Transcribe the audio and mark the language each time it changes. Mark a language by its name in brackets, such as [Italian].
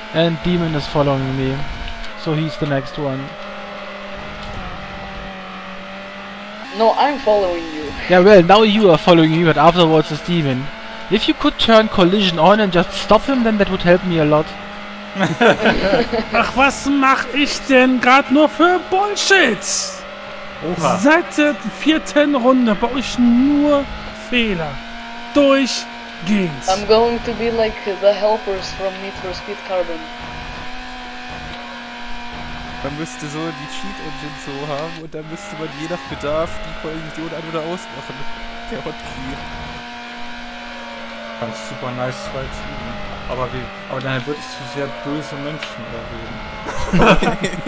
[English] And Demon is following me. So he's the next one. No, I'm following you. Yeah, well, now you are following me, but afterwards is Demon. If you could turn Collision on and just stop him, then that would help me a lot. [German] Ach, was mach ich denn gerade nur für Bullshit? Opa. Seit der vierten Runde baue ich nur Fehler. Durchgehend. [English] I'm going to be like the helpers from Need for Speed Carbon. [German] Man müsste so die Cheat Engine so haben und dann müsste man je nach Bedarf die Kollision an- oder ausmachen. Der Hotkey. Ganz super nice zwei Typen. Aber dann würde ich zu sehr böse Menschen erwähnen.